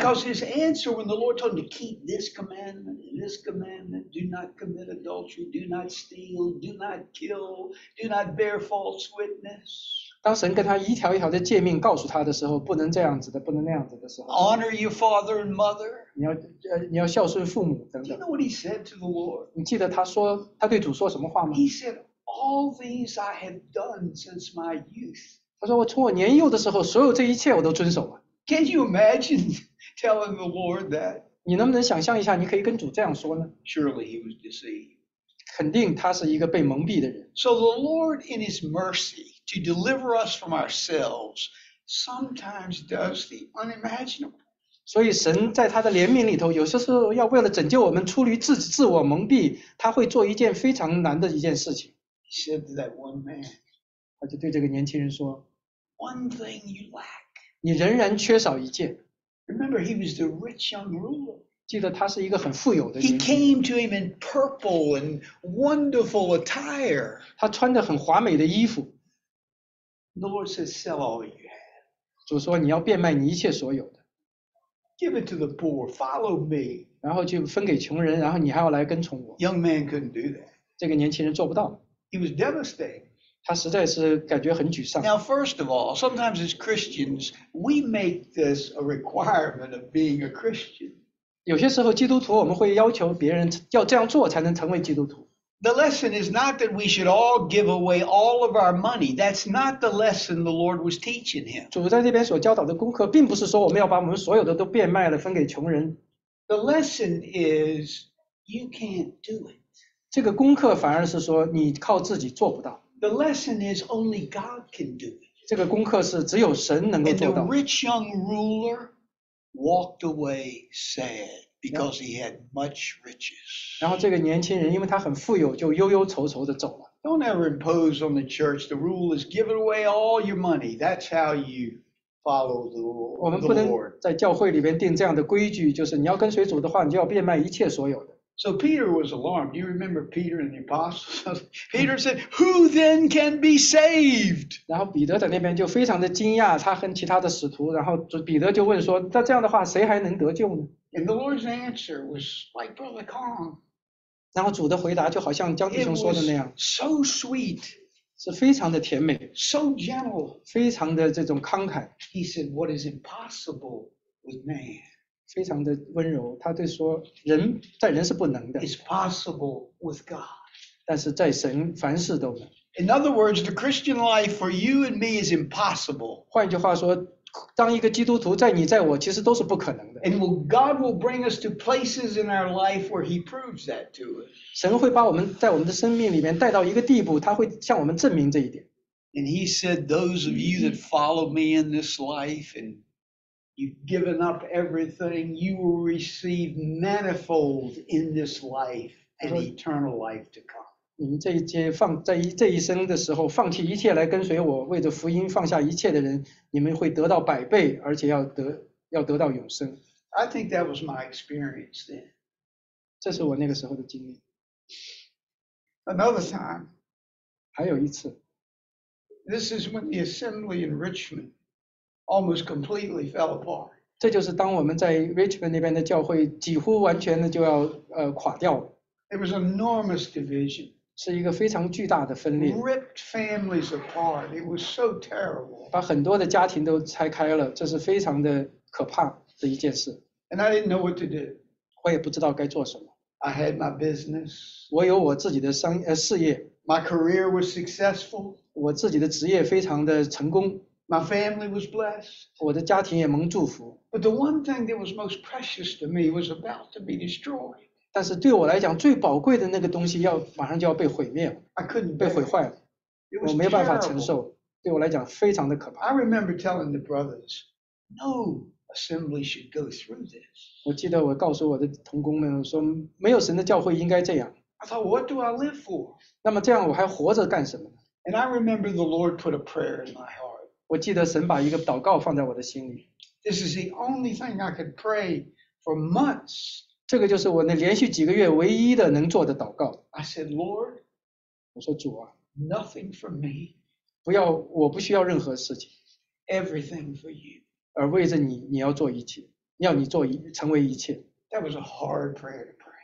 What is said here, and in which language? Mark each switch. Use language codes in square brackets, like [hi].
[en] Because his answer when the Lord told him to keep this commandment, do not commit adultery, do not steal, do not kill, do not bear false witness. [zh] 当神跟他一条一条的诫命告诉他的时候，不能这样子的，不能那样子的时候。 [en] Honor your father and mother. [zh] 你要孝顺父母等等。 [en] Do you know what he said to the Lord? [zh] 你记得他对主说什么话吗 [en] ？He said, "All these I have done since my youth." [zh] 他说我从我年幼的时候所有这一切我都遵守了。 [en] Can you imagine telling the Lord that? [zh] 你能不能想象一下你可以跟主这样说呢 [en] ?Surely he was deceived. [zh] 肯定他是一个被蒙蔽的人。 [en] So the Lord in his mercy to deliver us from ourselves sometimes does the unimaginable. [zh] 所以神在他的怜悯里头有些时候要为了拯救我们出于自我蒙蔽他会做一件非常难的一件事情。 [en] He said that one man. [zh] 他就对这个年轻人说 [en] ：“One thing you lack， [zh] 你仍然缺少一件。 [en] Remember, he was the rich young ruler. [zh] 记得他是一个很富有的人。 [en] He came to him in purple and wonderful attire. [zh] 他穿着很华美的衣服。 [en] The Lord says, sell all you have. [zh] 主说你要变卖你一切所有的。 [en] Give it to the poor. Follow me. [zh] 然后就分给穷人，然后你还要来跟从我。 [en] Young man couldn't do that. [zh] 这个年轻人做不到。 [en] He was devastated. [zh] 他实在是感觉很沮丧。 [en] Now, first of all, sometimes as Christians, we make this a requirement of being a Christian. [zh] 有些时候基督徒我们会要求别人要这样做才能成为基督徒。 [en] The lesson is not that we should all give away all of our money. That's not the lesson the Lord was teaching him. [zh] 主在这边所教导的功课并不是说我们要把我们所有的都变卖了分给穷人。 [en] The lesson is you can't do it. [zh] 这个功课反而是说你靠自己做不到。 [en] The lesson is only God can do it. [zh] 这个功课是只有神能够做到。 [en] And the rich young ruler walked away sad because he had much riches. [zh] 然后这个年轻人因为他很富有就忧忧愁愁地走了。 [en] Don't ever impose on the church. The rule is give away all your money. That's how you follow the Lord. [zh] 我们不能在教会里边定这样的规矩就是你要跟随主的话你就要变卖一切所有的。 [en] So Peter was alarmed. Do you remember Peter and the apostles? Peter said, "Who then can be saved?" [zh] 然后彼得在那边就非常的惊讶，他和其他的使徒，然后彼得就问说，那这样的话，谁还能得救呢？ [en] And the Lord's answer was like Brother Kong. [zh] 然后主的回答就好像江弟兄说的那样 [en] ，so sweet， [zh] 是非常的甜美 [en] ，so gentle， [zh] 非常的这种慷慨。 [en] He said, "What is impossible with man?" [zh] 非常的温柔，他对说人在人是不能的。 [en] It's possible with God. [zh] 但是在神凡事都能。 [en] In other words, the Christian life for you and me is impossible. [zh] 换句话说，当一个基督徒在你在我其实都是不可能的。 [en] And God will bring us to places in our life where He proves that to us. [zh] 神会把我们在我们的生命里面带到一个地步，他会向我们证明这一点。 [en] And He said, "Those of you that follow Me in this life and..." You've given up everything. You will receive manifold in this life and eternal life to come. [zh] 你们这一生的时候，放弃一切来跟随我，为着福音放下一切的人，你们会得到百倍，而且要得到永生。 [en] I think that was my experience then. [zh] 这是我那个时候的经历。 [en] Another time. [zh] 还有一次。 [en] This is when the assembly in Richmond. almost completely fell apart. [zh] 这就是当我们在 Richmond 那边的教会几乎完全的就要垮掉了。 [en] It was enormous division. [zh] 是一个非常巨大的分裂。 [en] Ripped families apart. It was so terrible. [zh] 把很多的家庭都拆开了，这是非常的可怕的一件事。 [en] And I didn't know what to do. [zh] 我也不知道该做什么。 [en] I had my business. [zh] 我有我自己的事业。 [en] My career was successful. [zh] 我自己的职业非常的成功。 [en] My family was blessed. [zh] 我的家庭也蒙祝福。 [en] But the one thing that was most precious to me was about to be destroyed. [zh] 但是对我来讲，最宝贵的那个东西要马上就要被毁灭了。 [en] I couldn't [zh] 被毁坏了。我没有办法承受，对我来讲非常的可怕。 [en] I remember telling the brothers, "No assembly should go through this." [zh] 我记得我告诉我的同工们说，没有神的教会应该这样。 [en] I thought, "What do I live for?" [zh] 那么这样我还活着干什么呢 [en] ？And I remember the Lord put a prayer in my heart. [zh] 我记得神把一个祷告放在我的心里。 [en] This is the only thing I could pray for months. [zh] 这个就是我那连续几个月唯一的能做的祷告。 [en] I said, Lord, [zh] 我说主啊 [en] ，Nothing for me. [zh] 不要，我不需要任何事情。 [en] Everything for you. [zh] 而为着你，你要做一切，要你做一成为一切。 [en] That was a hard prayer to pray.